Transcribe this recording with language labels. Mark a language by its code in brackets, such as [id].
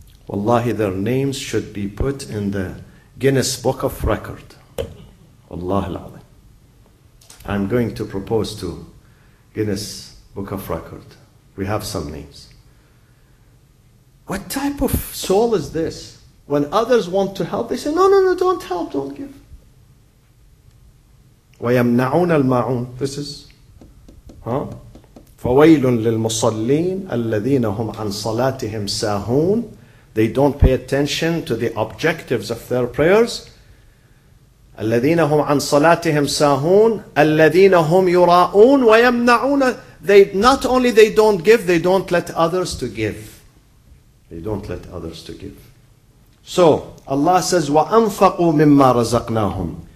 [en] Wallahi, their names should be put in the Guinness Book of Record. Wallahi al-Azim. I'm going to propose to Guinness Book of Record. We have some names. What type of soul is this? When others want to help, they say, no, don't help, don't give. [ar] وَيَمْنَعُونَ الْمَعُونَ. [en] This is, [ar] فَوَيْلٌ لِلْمُصَلِّينَ الَّذِينَ هُمْ عَنْ صَلَاتِهِمْ سَاهُونَ. [en] They don't pay attention to the objectives of their prayers. [ar] الَّذِينَ هُمْ عَنْ صَلَاتِهِمْ سَاهُونَ الَّذِينَ هُمْ يُرَاءُونَ وَيَمْنَعُونَ. [en] They not only they don't give, they don't let others to give. They don't let others to give. So Allah says, [ar] وَأَنْفَقُوا مِمَّا رَزَقْنَاهُمْ.